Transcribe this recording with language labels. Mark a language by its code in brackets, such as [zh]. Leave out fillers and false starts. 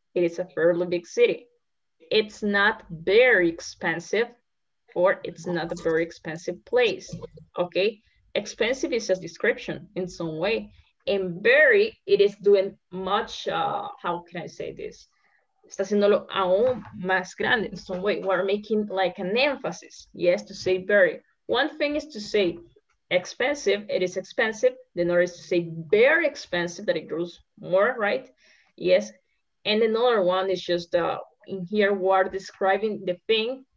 [en] It is a fairly big city. It's not very expensive. Or it's not a very expensive place, okay? Expensive is a description in some way. And very, it is doing much, how can I say this? [es] Está haciéndolo aún más grande [en] in some way. We're making like an emphasis, yes, to say very. One thing is to say expensive, it is expensive. Then there is to say very expensive, that it grows more, right? Yes. And another one is just in here, we're describing the thing.